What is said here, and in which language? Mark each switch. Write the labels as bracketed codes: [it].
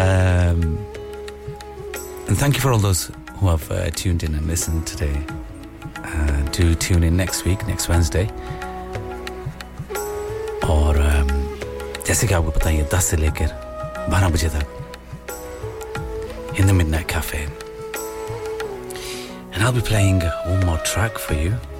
[en] And thank you for all those who have tuned in and listened today. Do tune in next week, next Wednesday. [hi] Or जैसे कि आपको पता ही है 10 से लेकर 12 बजे तक [en] in the Midnight Cafe. And I'll be playing one more track for you.